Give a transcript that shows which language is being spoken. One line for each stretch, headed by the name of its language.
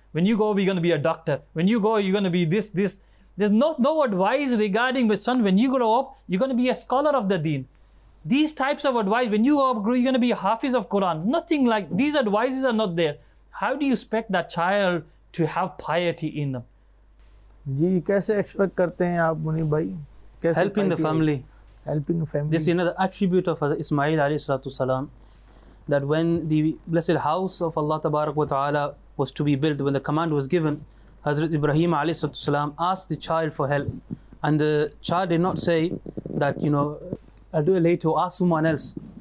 English: When you go, you're going to be a doctor. When you go, you're going to be this. There's no advice regarding, but son, when you grow up, you're going to be a scholar of the deen. These types of advice, when you grow up, you're going to be a Hafiz of Quran. Nothing like these advices are not there. How do you expect that child to have piety in them?
Hindi: जी कैसे expect करते हैं आप मुनीब भाई? कैसे
English: helping the family. Helping the family. This is another attribute of Ismail alayhi salatu salam, that when the blessed house of Allah tabarak wa ta'ala was to be built, when the command was given, Hazrat Ibrahim alayhi salatu salam asked the child for help. And the child did not say that, you know, I'll do it later, or ask someone else.